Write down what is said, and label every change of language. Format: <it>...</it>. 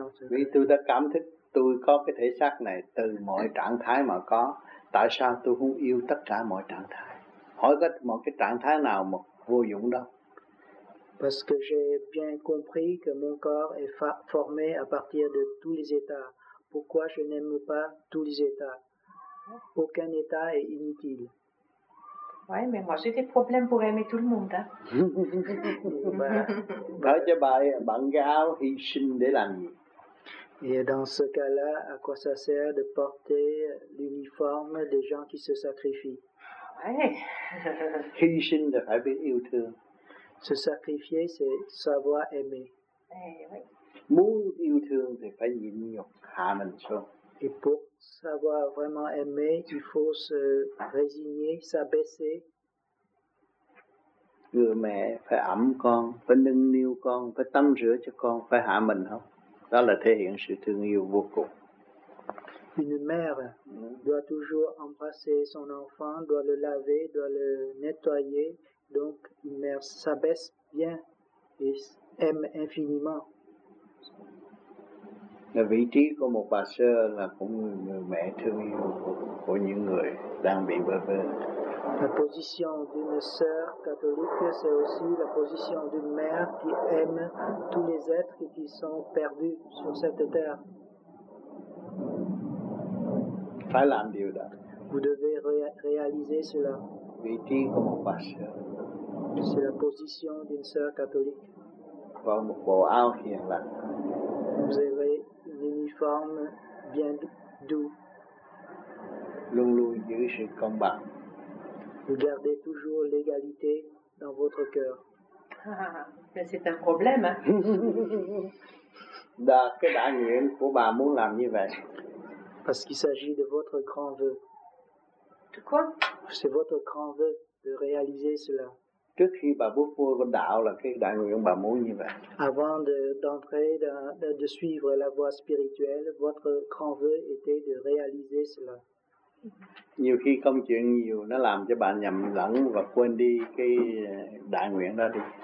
<vi>Vì tôi đã cảm thấy tôi có cái thể xác này từ mọi trạng thái mà có, tại sao tôi không yêu tất cả mọi trạng thái? Hỏi có một cái trạng thái nào mà vô dụng đâu?</vi> <fr>Parce que j'ai bien compris que mon corps est formé à partir de tous les états. Pourquoi je n'aime pas tous les états? Aucun état est inutile. Oui, mais moi j'ai des problèmes pour aimer tout le monde. Hein?</fr> <vi>Nói cho bà bận cái áo hy sinh để làm gì?</vi> <fr>Et dans ce cas-là, à quoi ça sert de porter l'uniforme des gens qui se sacrifient?</fr> <vi>Hy sinh là phải biết yêu thương.</vi> <fr>Se sacrifier, c'est savoir aimer.</fr> <vi>Muốn yêu thương thì phải nhịn nhục, hạ mình xuống.</vi> <fr>Et pour savoir vraiment aimer, il faut se résigner, s'abaisser.</fr> <vi>Người mẹ phải ẵm con, phải nâng niu con, phải tắm rửa cho con, phải hạ mình không? Đó là thể hiện sự thương yêu vô cùng.</vi> <fr>Une mère doit toujours embrasser son enfant, doit le laver, doit le nettoyer. Donc, une mère s'abaisse bien et aime infiniment.</fr> <vi>Là vị trí của một bà sơ là cũng người mẹ thương yêu của những người đang bị bơ vơ.</vi> <fr>La position d'une sœur catholique, c'est aussi la position d'une mère qui aime tous les êtres qui sont perdus sur cette terre.</fr> <vi>Phải làm điều đó.</vi> <fr>Vous devez réaliser cela.</fr> <vi>Vị trí của một bà sơ.</vi> <fr>C'est la position d'une sœur catholique.</fr> <vi>Vào một bộ áo hiền lành.</vi> <fr>Vous avez l'uniforme bien doux.</fr> <vi>Luôn luôn giữ sự công bằng.</vi> <fr>Vous gardez toujours l'égalité dans votre cœur. Ah, mais c'est un problème.</fr> <vi>Cái đại nguyện của bà muốn làm như vậy.</vi> <fr>Parce qu'il s'agit de votre grand vœu. De quoi? C'est votre grand vœu de réaliser cela.</fr> <vi>Trước khi bà bước vô con đạo là cái đại nguyện bà muốn như vậy.</vi> <fr>Avant d'entrer, de suivre la voie spirituelle, votre grand vœu était de réaliser cela.</fr> <vi>Nhiều khi công chuyện nhiều nó làm cho bạn nhầm lẫn và quên đi cái đại nguyện đó đi.</vi>